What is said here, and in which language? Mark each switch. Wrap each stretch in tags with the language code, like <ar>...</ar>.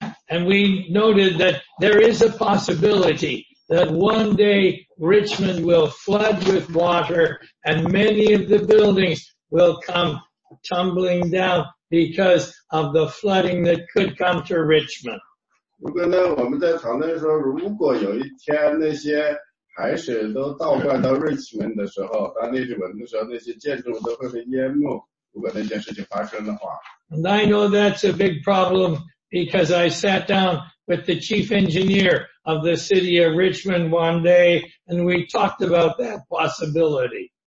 <en>And we noted that there is a possibility that one day Richmond will flood with water and many of the buildings will come tumbling down because of the flooding that could come to Richmond.</en> <zh>如果呢，我们在讨论说，如果有一天那些海水都倒灌到 Richmond 的时候，到列治文的时候，那些建筑都会被淹没。如果那件事情发生的话。</zh> <en>And I know that's a big problem because I sat down with the chief engineer of the city of Richmond one day and we talked about that possibility.</en>